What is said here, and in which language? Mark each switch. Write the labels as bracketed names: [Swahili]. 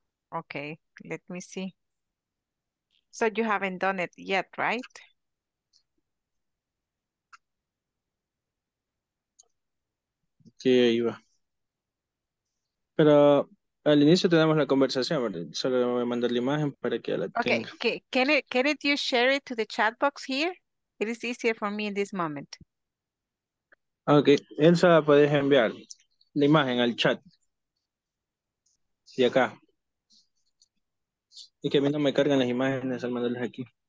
[English] Okay, let me see. So you haven't done it yet, right? [Spanish] Sí, ahí va. Pero al inicio tenemos la conversación, ¿verdad? Solo le voy a mandar la imagen para que la [English] okay. [Spanish] tenga. [English] Okay, can it you share it to the chat box here? It is easier for me in this moment. [Spanish] Okay, Elsa, puedes enviar la imagen al chat. Y acá. Y que a mí no me cargan las imágenes al mandarlas aquí.